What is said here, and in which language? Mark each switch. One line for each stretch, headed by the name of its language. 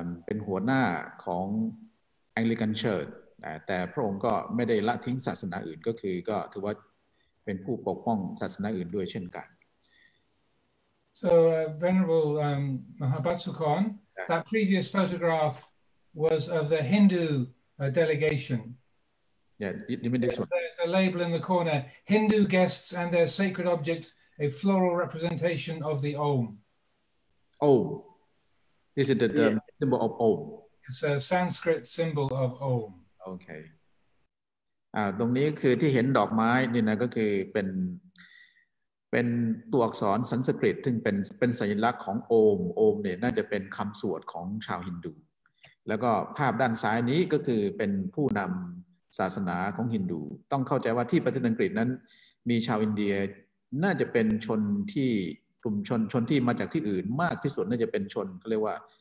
Thai: นหัวหน้าของAnglican Church แต่พระองค์ก็ไม่ได้ละทิ้งศาสนาอื่นก็คือก็ถือว่าเป็นผู้ปกป้องศาสนาอื่นด้วยเช่นกัน
English: So, Venerable Mahabatsukon, that previous photograph was of the Hindu delegation. Yeah, you mean this one? There's a label in the corner, Hindu guests and their sacred objects, a floral representation of the Om. Om. Is it the symbol of Om? It's a Sanskrit symbol of Om. Okay.
Thai: ตรงนี้คือที่เห็นดอกไม้นี่นะก็คือเป็นตัวอักษรสันสกฤตซึ่งเป็นสัญลักษณ์ของโอมโอมเนี่ยน่าจะเป็นคำสวดของชาวฮินดูแล้วก็ภาพด้านซ้ายนี้ก็คือเป็นผู้นำศาสนาของฮินดูต้องเข้าใจว่าที่ประเทศอังกฤษนั้นมีชาวอินเดียน่าจะเป็นชนที่กลุ่มชนที่มาจากที่อื่นมากที่สุดน่าจะเป็นชนเขาเรียกว่า